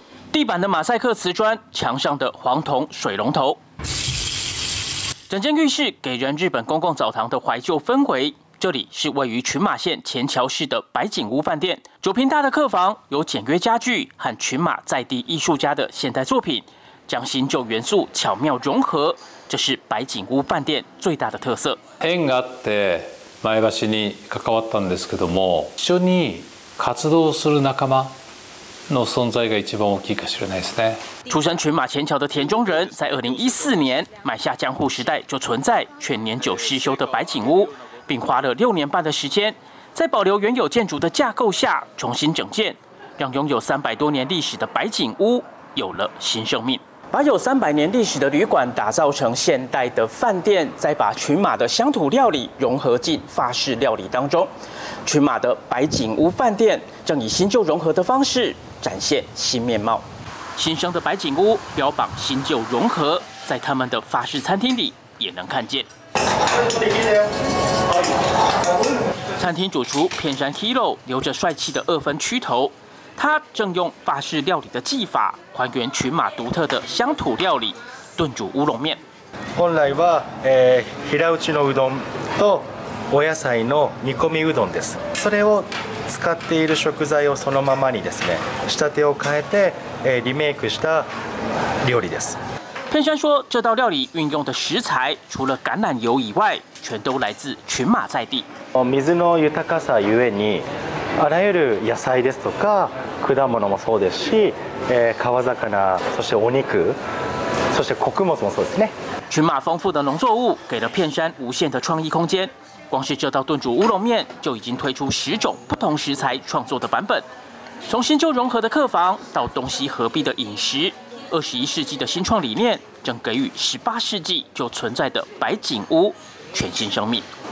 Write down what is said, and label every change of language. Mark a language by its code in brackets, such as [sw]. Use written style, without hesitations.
[zh] 地板的马赛克瓷砖，墙上的黄铜水龙头，整间浴室给人日本公共澡堂的怀旧氛围。这里是位于群马县前桥市的白景屋饭店，9平大的客房有简约家具和群马在地艺术家的现代作品，将新旧元素巧妙融合，这是白景屋饭店最大的特色。 [ja] 縁があって前橋に関わったんですけども、一緒に活動する仲間の存在が一番大きいかしれないですね。 [zh] 出身群马前桥的田中人，在2014年买下江户时代就存在却年久失修的白景屋。并花了6年半的时间，在保留原有建筑的架构下重新整建，让拥有300多年历史的白景屋有了新生命。把有300年历史的旅馆打造成现代的饭店，再把群马的乡土料理融合进法式料理当中，群马的白景屋饭店正以新旧融合的方式展现新面貌。新生的白景屋标榜新旧融合，在他们的法式餐厅里也能看见。餐厅主厨片山 Hiro 留着帅气的二分曲头，他正用法式料理的技法还原群马独特的乡土料理，炖煮乌龙面。 [ja] 本来は平打ちのうどんとお野菜の煮込みうどんです。それを使っている食材をそのままにですね、仕立てを変えてリメイクした料理です。 [zh] 片山说，这道料理运用的食材除了橄榄油以外，全都来自群马在地。 [ja] 水の豊かさゆえに、あらゆる野菜ですとか果物もそうですし、川魚、そしてお肉、そして穀物もそうですね。 [zh] 群马丰富的农作物给了片山无限的创意空间。光是这道炖煮乌龙面就已经推出十种不同食材创作的版本，从新旧融合的客房到东西合璧的饮食，二十一世纪的新创理念正给予十八世纪就存在的白景屋全新生命。